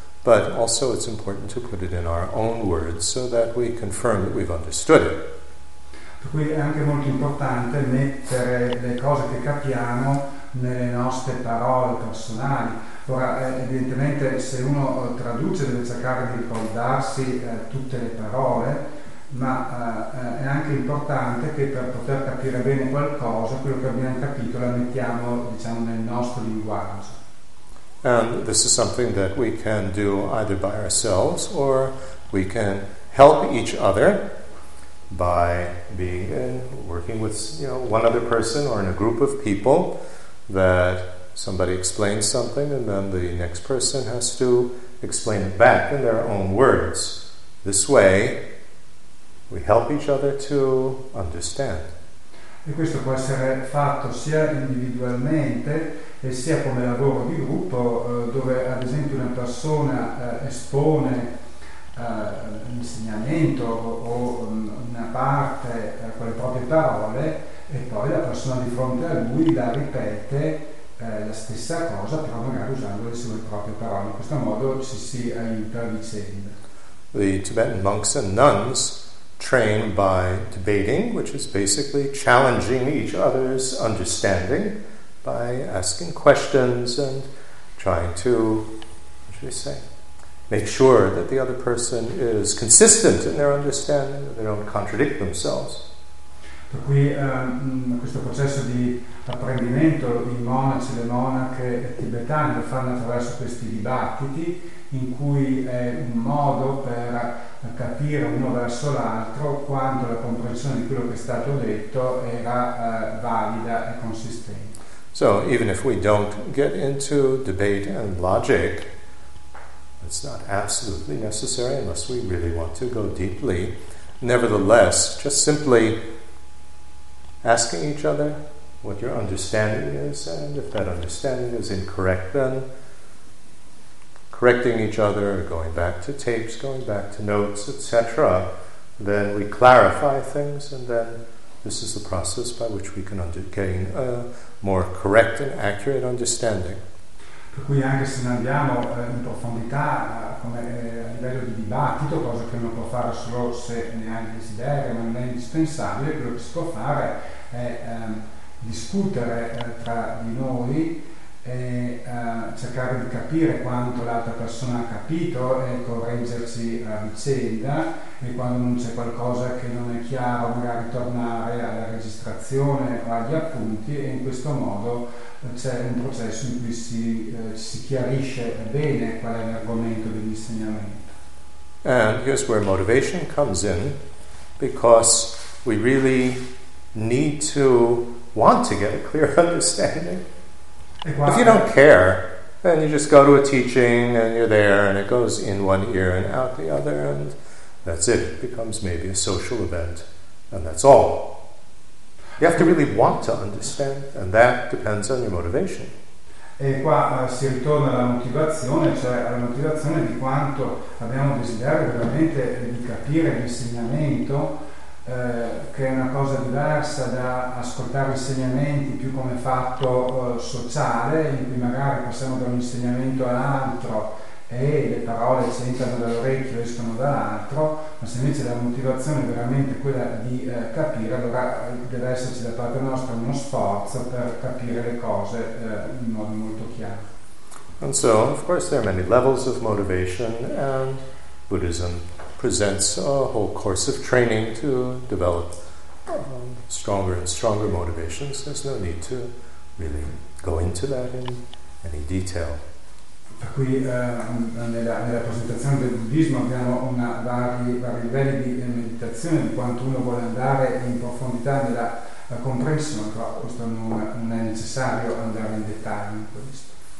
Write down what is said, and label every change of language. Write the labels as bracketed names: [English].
[English] But also it's important to put it in our own words so that we confirm that we've understood it. [Italian] Per cui è anche molto importante mettere le cose che capiamo nelle nostre parole personali. Ora, evidentemente, se uno traduce deve cercare di ricordarsi tutte le parole, ma è anche importante che per poter capire bene qualcosa, quello che abbiamo capito la mettiamo, diciamo, nel nostro linguaggio. [English] And this is something that we can do either by ourselves or we can help each other by being in, working with, you know, one other person or in a group of people, that somebody explains something and then the next person has to explain it back in their own words. This way we help each other to understand. [Italian] E questo può essere fatto sia individualmente e sia come lavoro di gruppo, dove ad esempio una persona espone l'insegnamento o una parte con le proprie parole e poi la persona di fronte a lui la ripete la stessa cosa, però magari usando le sue proprie parole. In questo modo ci si aiuta a vicenda. [English] The Tibetan monks and nuns train by debating, which is basically challenging each other's understanding by asking questions and trying to, what should I say, make sure that the other person is consistent in their understanding, that they don't contradict themselves. [Italian] Per cui questo processo di apprendimento, i monaci, le monache tibetane lo fanno attraverso questi dibattiti, in cui è un modo per capire uno verso l'altro quando la comprensione di quello che è stato detto era valida e consistente. [English] So, even if we don't get into debate and logic, it's not absolutely necessary unless we really want to go deeply. Nevertheless, just simply asking each other what your understanding is, and if that understanding is incorrect, then correcting each other, going back to tapes, going back to notes, etc., then we clarify things, and then this is the process by which we can gain a more correct and accurate understanding. [Italian] Per cui anche se ne andiamo in profondità, come a livello di dibattito, cosa che uno può fare solo se ne ha il desiderio, ma non è indispensabile, quello che si può fare è discutere tra di noi e cercare di capire quanto l'altra persona ha capito e correggersi a vicenda, e quando non c'è qualcosa che non è chiaro magari tornare alla registrazione o agli appunti, e in questo modo c'è un processo in cui si chiarisce bene qual è l'argomento dell'insegnamento. [English] And here's where motivation comes in, because we really need to want to get a clear understanding. If you don't care, then you just go to a teaching and you're there and it goes in one ear and out the other and that's it. It becomes maybe a social event and that's all. You have to really want to understand, and that depends on your motivation. [Italian] E qua si ritorna alla motivazione, cioè alla motivazione di quanto abbiamo desiderio veramente di capire l'insegnamento, che è una cosa diversa da ascoltare insegnamenti più come fatto sociale, in cui magari passiamo da un insegnamento all'altro e le parole ci entrano dall'orecchio e escono dall'altro, ma se invece la motivazione è veramente quella di capire, allora deve esserci da parte nostra uno sforzo per capire le cose in modo molto chiaro. [English] And so, of course, there are many levels of motivation, and Buddhism presents a whole course of training to develop stronger and stronger motivations. There's no need to really go into that in any detail. [Italian] Per cui nella presentazione del buddismo abbiamo vari livelli di meditazione, di quanto uno vuole andare in profondità nella comprensione, però questo non è necessario andare in dettaglio in questo.